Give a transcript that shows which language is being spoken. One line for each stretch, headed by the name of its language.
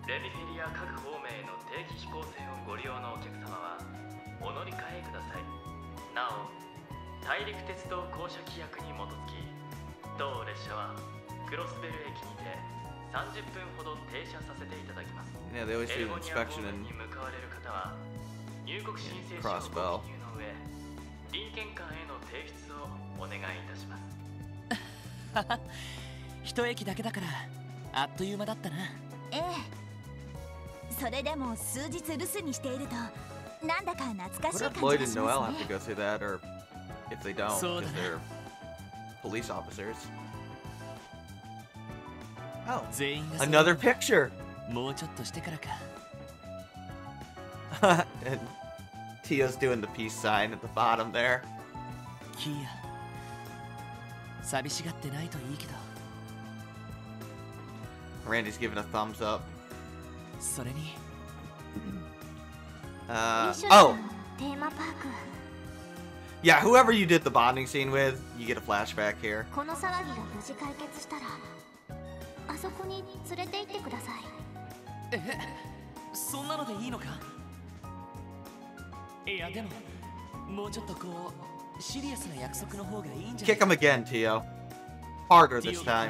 Japanese: レミフィリア各方面の定期飛行船をご利用のお客様はお乗り換えください。なお、大陸鉄道公社規約に基づき、当列車はクロスベル駅にて30分ほど停車させていただきます。
English: Yeah, they always do an inspection and cross bell.
Japanese: リンケン館への提出をお願いいたします。一駅だけだからあっという間だったな。ええ、それでも数日留守にしているとなんだか懐かしい感じがしますね。
English: What if Lloyd and Noel have to go through that? Or if they don't, if they're police officers. Oh, another picture!
Japanese: もうちょっとしてからか。
English: And Tia's doing the peace sign at the bottom there.
Japanese: キア、寂しがってないといいけど。
English: Randy's giving a thumbs up.
Japanese: それに、テーマパーク。
English: Yeah, whoever you did the bonding scene with, you get a flashback here.
Japanese: この騒ぎが無事解決したら、あそこに連れて行ってください。そんなのでいいのか？いや、でも、もうちょっとこう、シリアスな約束の方がいいんじゃないですか？
English: Kick him again, Tio. Harder this time.